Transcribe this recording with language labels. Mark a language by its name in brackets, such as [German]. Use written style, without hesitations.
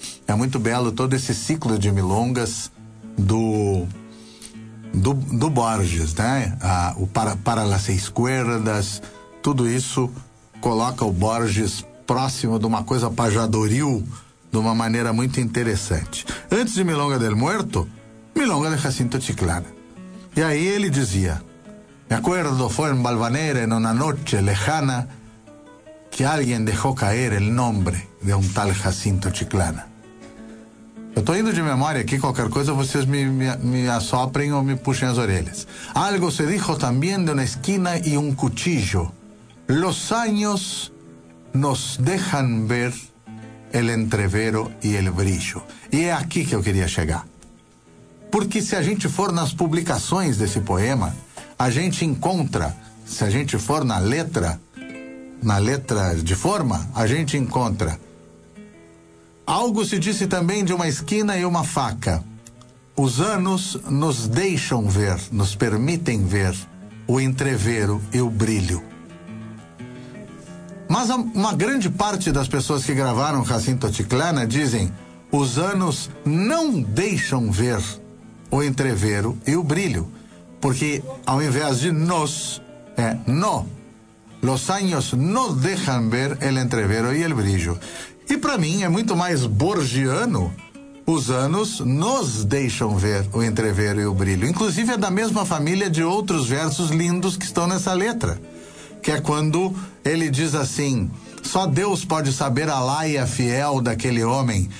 [Portuguese] É muito belo todo esse ciclo de milongas do Borges, né? Para las esquerdas, tudo isso coloca o Borges próximo de uma coisa pajadoril de uma maneira muito interessante. Antes de Milonga del Muerto, Milonga de Jacinto Atitlana. E aí ele dizia: [Spanish] me acuerdo fue en Valvanera, en una noche lejana, que alguien dejó caer el nombre de un tal Jacinto Atitlana. [Portuguese] Eu tô indo de memória aqui, qualquer coisa vocês me assoprem ou me puxem as orelhas. [Spanish] Algo se dijo también de una esquina y un cuchillo. Los años nos dejan ver el entrevero y el brillo. [Portuguese] E é aqui que eu queria chegar. Porque se a gente for nas publicações desse poema, a gente encontra, se a gente for na letra de forma, a gente encontra: algo se disse também de uma esquina e uma faca. Os anos nos deixam ver, nos permitem ver o entrevero e o brilho. Mas uma grande parte das pessoas que gravaram Jacinto Atitlana dizem: os anos não deixam ver o entrevero e o brilho, porque ao invés de nos, é no. [Spanish] Los años no dejan ver el entrevero y el brillo. [Portuguese] E para mim é muito mais borgiano: os anos nos deixam ver o entrevero e o brilho. Inclusive é da mesma família de outros versos lindos que estão nessa letra, que é quando ele diz assim: só Deus pode saber a laia fiel daquele homem.